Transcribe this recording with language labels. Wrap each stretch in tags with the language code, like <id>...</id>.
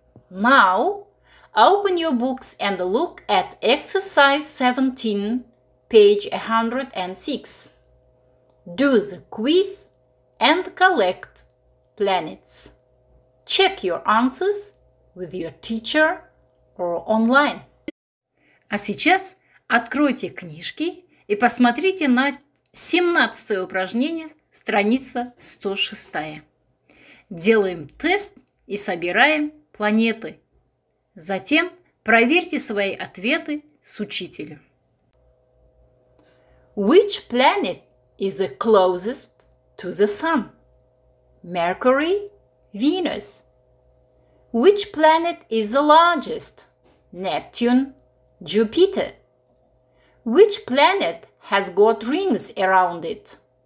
<en>Now, open your books and look at exercise 17, page 106. Do the quiz and collect planets. Check your answers with your teacher or online.</en> <ru>А сейчас откройте книжки и посмотрите на 17 упражнение, страница 106. Делаем тест и собираем планеты. Затем проверьте свои ответы с учителем.</ru> <en>Which planet is the closest to the sun? Mercury, Venus. Which planet is the largest? Neptune, Jupiter. Which planet has got rings around it?</en>